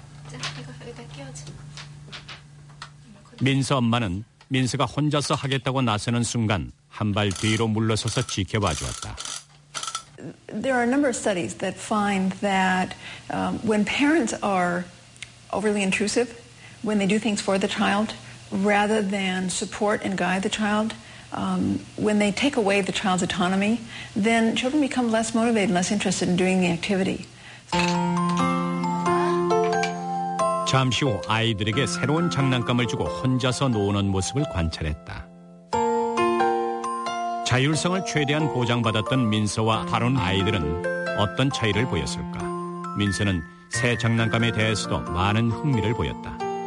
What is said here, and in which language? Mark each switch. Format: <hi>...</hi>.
<ko>자, 이거 여기다 끼워줘. 민서 엄마는 민서가 혼자서 하겠다고 나서는 순간 한 발 뒤로 물러서서 지켜봐 주었다.</ko> <en>There are a number of studies that find that when parents are overly intrusive, when they do things for the child, rather than support and guide the child, when they take away the child's autonomy, then children become less motivated and less interested in doing the activity.</en> <ko>잠시 후 아이들에게 새로운 장난감을 주고 혼자서 노는 모습을 관찰했다. 자율성을 최대한 보장받았던 민서와 다른 아이들은 어떤 차이를 보였을까? 민서는 새 장난감에 대해서도 많은 흥미를 보였다.</ko>